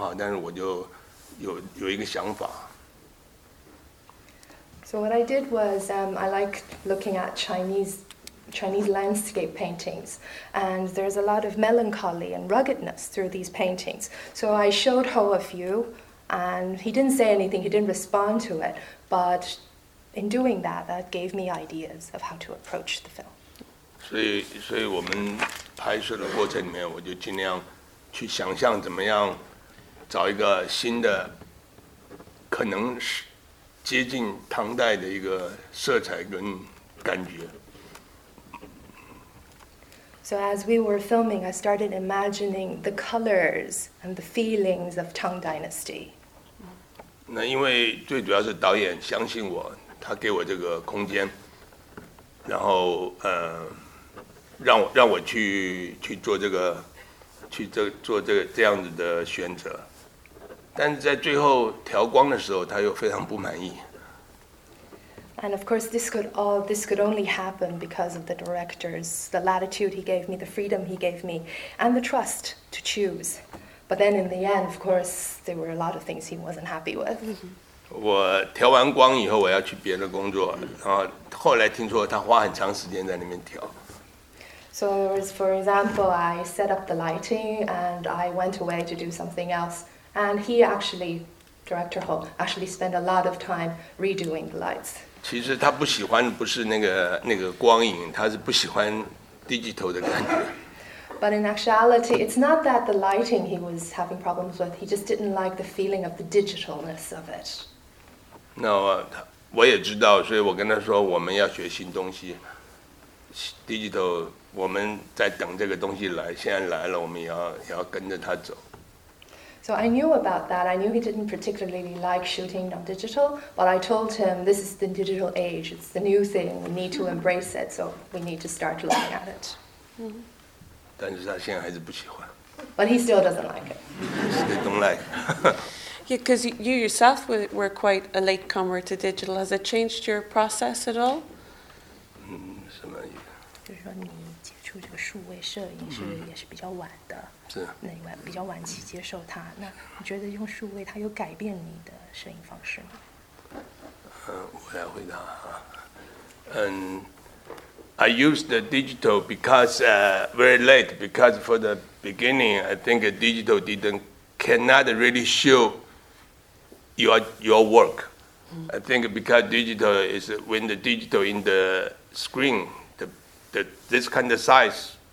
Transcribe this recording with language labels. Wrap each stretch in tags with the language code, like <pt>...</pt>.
<zh>然后我觉得那个画，它有一种苍茫，有一种古，有一种那个，就是苍茫粗犷的感觉。然后他最后也是没有答案，但是他没有说好还是不好，但是我就有一个想法。</zh> <en>So what I did was I like looking at Chinese landscape paintings, and there's a lot of melancholy and ruggedness through these paintings. So I showed Ho a few, and he didn't say anything, he didn't respond to it, but in doing that, that gave me ideas of how to approach the film. So,</en> <zh>接近唐代的一个色彩跟感觉。</zh> <en>So as we were filming, I started imagining the colors and the feelings of Tang Dynasty.</en> <zh>那因为最主要是导演相信我，他给我这个空间，然后让我去做这个，去这做这个这样子的选择。但是在最后调光的时候，他又非常不满意。</zh> <en>And of course, this could only happen because of the directors, the latitude he gave me, the freedom he gave me, and the trust to choose. But then in the end, of course, there were a lot of things he wasn't happy with.</en> <zh>我调完光以后，我要去别的工作，然后后来听说他花很长时间在那边调。</zh> <en>So there was, for example, I set up the lighting and I went away to do something else. And he actually, Director Ho, actually spent a lot of time redoing the lights.</en> <zh>其实他不喜欢不是那个光影，他是不喜欢 digital 的感觉。</zh> <en>But in actuality, it's not that the lighting he was having problems with. He just didn't like the feeling of the digitalness of it.</en> <zh>那我也知道，所以我跟他说我们要学新东西 ，digital。我们在等这个东西来，现在来了，我们也要跟着他走。</zh> <en>So I knew about that. I knew he didn't particularly like shooting on digital, but I told him this is the digital age. It's the new thing. We need to embrace it. So we need to start looking at it.</en> <zh>但是他现在还是不喜欢。</zh> <en>But he still doesn't like it. Still don't like. Yeah, because you yourself were quite a latecomer to digital. Has it changed your process at all?</en> <zh>什么意思？就是说你接触这个数位摄影是也是比较晚的。是那晚比较晚期接受它，那你觉得用数位它有改变你的摄影方式吗？我来回答啊。</zh> <en>I use the digital because very late because for the beginning I think digital cannot really show your work. I think because digital is when the digital in the screen the this kind of size.</en>